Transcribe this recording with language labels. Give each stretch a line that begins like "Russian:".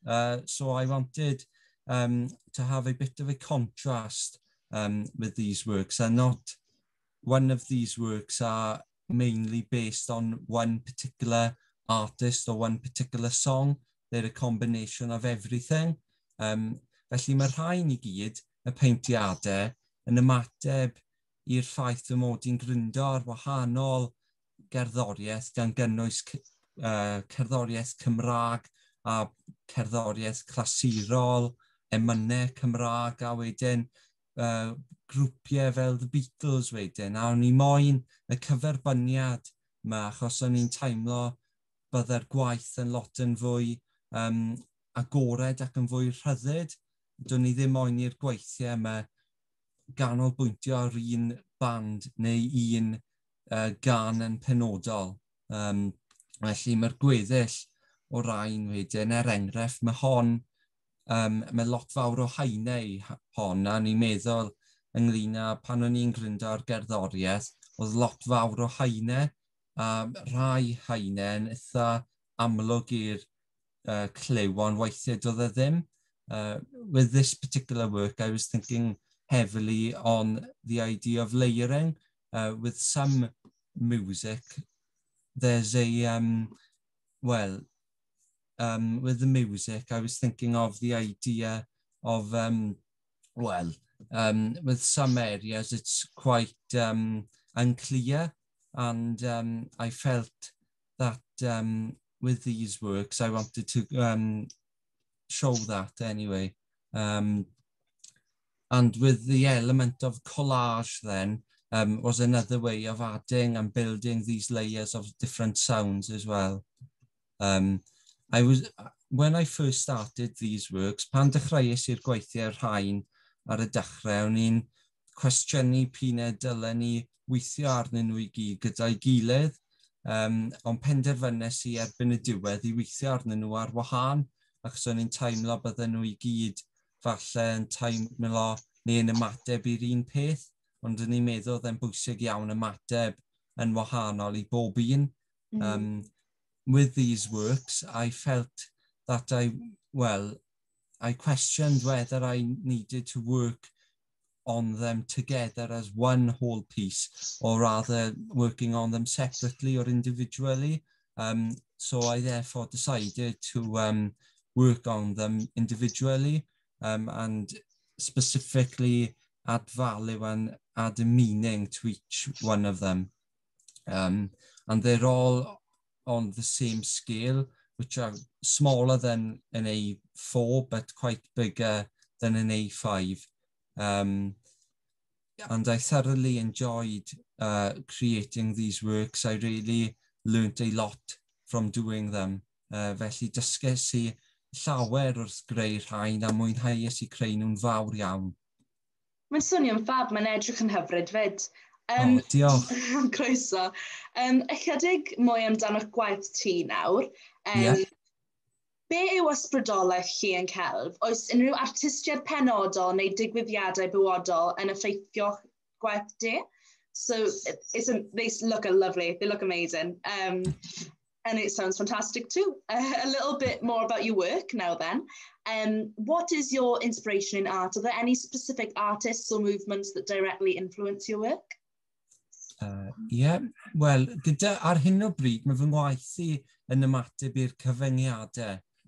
English: So I wanted to have a bit of a contrast with these works, and not one of these works are mainly based on one particular artist or one particular song. They're a combination of everything.
Welsh: Felly mae'r rhain I gyd, y peintiadau, yn ymateb i'r ffaith fy mod i'n gryndo ar wahanol gerddoriaeth gan gynnwys cerddoriaeth Cymraeg a cerddoriaeth clasurol, emynau Cymraeg a wedyn grwpiau fel The Beatles wedyn, a o'n i moyn y cyferbyniad yma achos o'n i'n teimlo bydde'r gwaith yn lot yn fwy agored ac yn fwy rhyddid. Do'n i ddim moyn i'r gweithiau yma ganolbwyntio ar un band neu un gan yn penodol. Felly mae'r gweddill o rain wedyn, er enghraifft, mae hon, mae lot fawr o hainau hon, a ni'n meddwl ynglyn â pan o'n i'n gryndo ar gerddoriaeth, oedd lot fawr o hainau, a rhai hainau yn eitha amlwg i'r clyw, ond weithiau doedd e ddim.
English: With this particular work, I was thinking heavily on the idea of layering. With some music, there's a, with the music, I was thinking of the idea of, with some areas, it's quite unclear, and I felt that with these works, I wanted to show that anyway. And with the element of collage then, was another way of adding and building these layers of different sounds as well. When I first started these works,
Welsh: pan dechreuais i'r gweithiau'r rhain ar y dechrau, o'n i'n cwestiynu pwy dylen ni weithio arnyn nhw i gyd gyda'i gilydd, ond penderfynnes i erbyn y diwedd i weithio arnyn nhw ar wahân, achos o'n i'n teimlo bydden nhw i gyd falle yn teimlo neu yn ymateb i'r un peth, ond o'n i'n meddwl oedd e'n bwysig iawn ymateb yn wahanol i bob un.
English: With these works, I felt that I questioned whether I needed to work on them together as one whole piece, or rather working on them separately or individually. So I therefore decided to work on them individually, and specifically add value and add a meaning to each one of them. And they're all on the same scale, which are smaller than an A4, but quite bigger than an A5. And I thoroughly enjoyed creating these works. I really learnt a lot from doing them.
Welsh: Felly dysges i llawer wrth greu rhain a mwynhau ys I creu nhw'n fawr iawn. Mae'n swnio'n fab, mae'n edrych yn hyfryd fyd. Diolch. Croeso. Ychydig mwy amdano'ch gwaith ti nawr. Be yw ysbrydolaeth chi yn celf? Oes unrhyw artistiaid penodol neu digwyddiadau bywodol yn effeithio gwaith di?
English: So, it's a, they look a lovely, they look amazing. And it sounds fantastic too. A little bit more about your work now then. What is your inspiration in art? Are there any specific artists or movements that directly influence your work?
Welsh: Yeah, well, gyda, ar hyn o bryd, mae fy ngwaithu yn ymateb i'r cyfyngiadau.